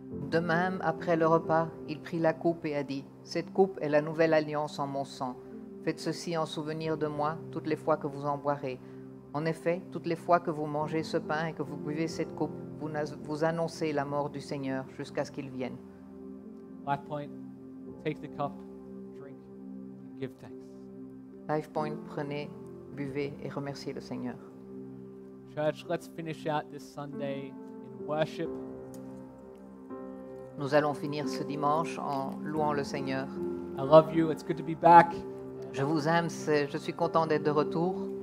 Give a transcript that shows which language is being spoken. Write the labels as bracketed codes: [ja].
[fr] De même, après le repas, il prit la coupe et a dit, « Cette coupe est la nouvelle alliance en mon sang. Faites ceci en souvenir de moi toutes les fois que vous en boirez. En effet, toutes les fois que vous mangez ce pain et que vous buvez cette coupe, vous annoncez la mort du Seigneur jusqu'à ce qu'il vienne. » [en] Life Point, take the cup, drink, give thanks. [fr] Life Point, prenez, buvez et remerciez le Seigneur. [en] Church, let's finish out this Sunday in worship. [fr] Nous allons finir ce dimanche en louant le Seigneur. [en] I love you. It's good to be back. [fr] Je vous aime. Je suis content d'être de retour.